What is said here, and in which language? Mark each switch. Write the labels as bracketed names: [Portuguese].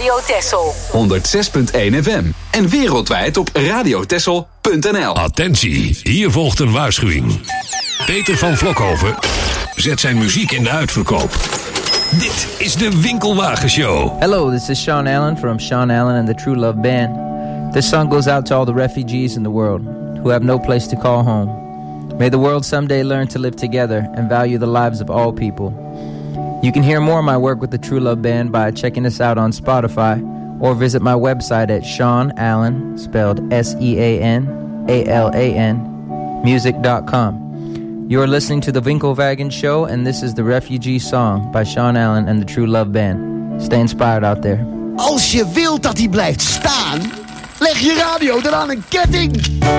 [Dutch] Radio Texel 106.1 FM en wereldwijd op radiotexel.nl. Attentie, hier volgt een waarschuwing. Peter van Vlokhoven zet zijn muziek in de uitverkoop. Dit is de Winkelwagen Show. [English] Hello, this is Sean Allen from Sean Allen and the True Love Band. This song goes out to all the refugees in the world who have no place to call home. May the world someday learn to live together and value the lives of all people. You can hear more of my work with the True Love Band by checking us out on Spotify or visit my website at Sean Allen, spelled S-E-A-N-A-L-A-N, music.com. You are listening to The Winkelwagen Show, and this is the Refugee Song by Sean Allen and the True Love Band. Stay inspired out there. [Dutch] Als je wilt dat hij blijft staan, leg je radio dan aan een ketting.